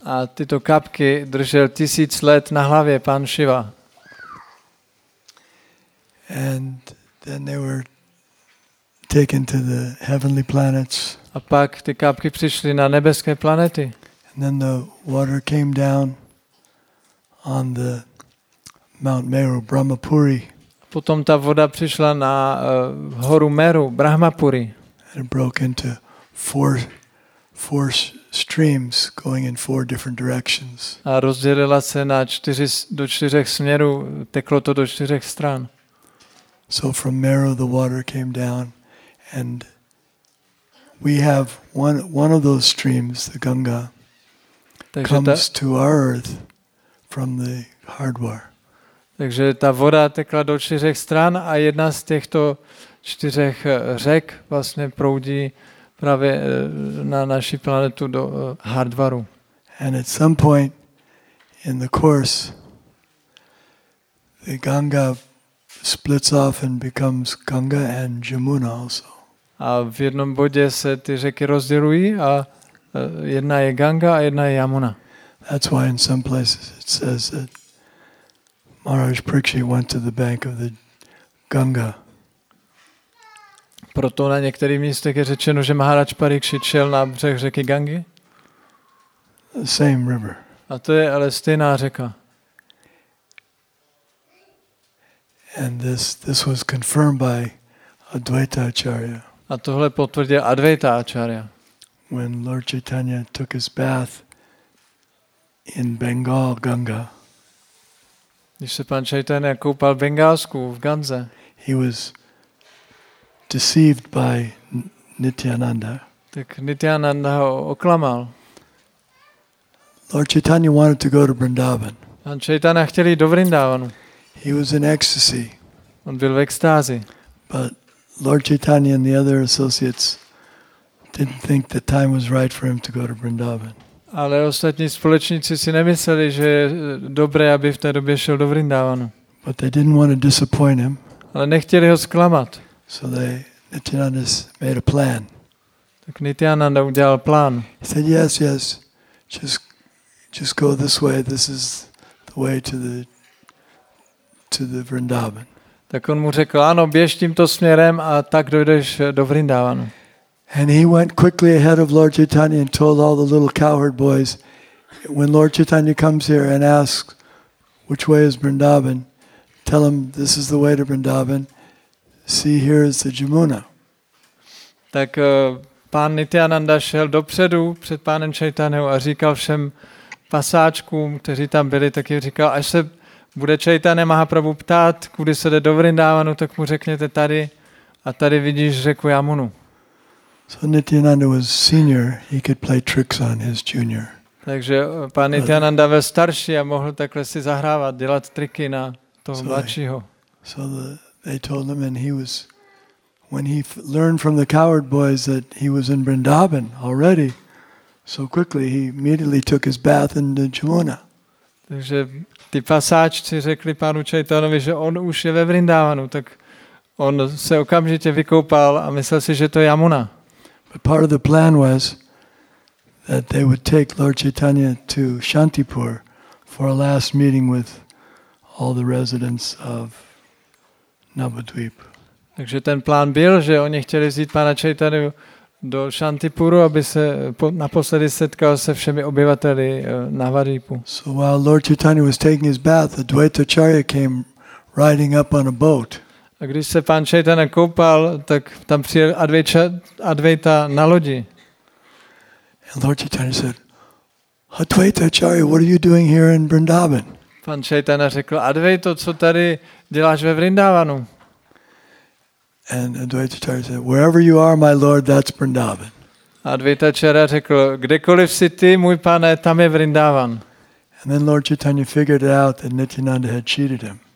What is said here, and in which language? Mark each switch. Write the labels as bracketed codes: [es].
[cs] A tyto kapky držel 1,000 let na hlavě pan Shiva. [en] And then they were taken to the heavenly planets. [cs] A pak ty kapky přišly na nebeské planety. [en] And then the water came down on the Mount Meru, Brahmapuri. [cs] potom ta voda přišla na horu Meru, Brahmapuri. [en] And it broke into four streams going in four different directions. [cs] A rozdělila se na do čtyřech směrů, teklo to do čtyřech stran. [en] So from Meru the water came down, and we have one of those streams, the Ganga, comes to our earth from the Hardwar. [cs] Takže ta voda tekla do čtyřech stran a jedna z těchto čtyřech řek vlastně proudí právě na naši planetu do Hardwaru. [en] And at some point in the course, the Ganga splits off and becomes Ganga and Jamuna also. [cs] A v jednom bodě se ty řeky rozdělují a jedna je Ganga a jedna je Yamuna. [en] That's why in some places it says that Maharaj Prakshi went to the bank of the Ganga. [cs] Proto na některých místech je řečeno, že Maharaj Prakshi šel na břeh řeky Gangy. [en] The same river. [cs] A to je ale stejná řeka. [en] And this was confirmed by Advaita Acharya. [cs] A tohle potvrdil Advaita Acharya. [en] When Lord Chaitanya took his bath in Bengal Ganga. [cs] Když se pan Chaitanya koupal v Bengálsku v Gange. [en] He was deceived by Nityananda. [cs] Tak Nityananda ho oklamal. [en] Lord Chaitanya wanted to go to Vrindavan. [cs] Pan Chaitanya chtěl jít do Vrindavanu. [en] He was in ecstasy. [cs] On byl v extázi. [en] But Lord Chaitanya and the other associates didn't think the time was right for him to go to Vrindavan. [cs] Ale ostatní společníci si nemysleli, že je dobré, aby v té době šel do Vrindavanu. [en] But they didn't want to disappoint him. [cs] Ale nechtěli ho zklamat. [en] So Nityananda made a plan. [cs] Tak Nityananda udělal plán. [en] He said, yes, just go this way. This is the way to the Vrindavan. [cs] Tak on mu řekl, ano, běž tímto směrem a tak dojdeš do Vrindavanu. [en] And he went quickly ahead of Lord Chaitanya and told all the little cowherd boys, when Lord Chaitanya comes here and asks which way is Vrindavan, tell him this is the way to Vrindavan. See, here is the Jamuna. [cs] Tak pán Nityananda šel dopředu před pánem Chaitanyou a říkal všem pasáčkům, kteří tam byli, tak jim říkal, až se bude Chaitanya Mahaprabhu ptát, kudy se jde do Vrindavanu, tak mu řekněte tady a tady vidíš řeku Yamunu. [en] So Nityananda was senior, he could play tricks on his junior. [cs] Takže pan Nityananda byl starší a mohl takhle si zahrávat, dělat triky na toho mladšího. [en] They told him and he was, when he learned from the coward boys that he was in Vrindavan already, so quickly he immediately took his bath in the Jamuna. [cs] Takže ty pasáčci řekli panu Chaitanyovi, že on už je ve Vrindavanu, tak on se okamžitě vykoupal a myslel si, že to je Yamuna. [en] But part of the plan was that they would take Lord Chaitanya to Shantipur for a last meeting with all the residents of Navadvip. [cs] Takže ten plán byl, že oni chtěli vzít pana Chaitanyu do Shantipuru, aby se naposledy setkal se všemi obyvateli Navadvipu. [en] So while Lord Chaitanya was taking his bath, the Advaita Acharya came riding up on a boat. [cs] A když se pan Chaitanya koupal, tak tam přijel Advaita na lodi. [en] And Lord Chaitanya said, Advaita Acharya, what are you doing here in Vrindavan? [cs] Pan Chaitanya řekl, Advaito, co tady děláš ve Vrindavanu? [en] And Advaita Acharya said, wherever you are, my lord, that's Vrindavan. [cs] Advaita Acharya řekl, kdekoliv jsi ty, můj pane, tam je Vrindavan. [en] And then Lord Chaitanya figured it out that Nityananda had cheated him.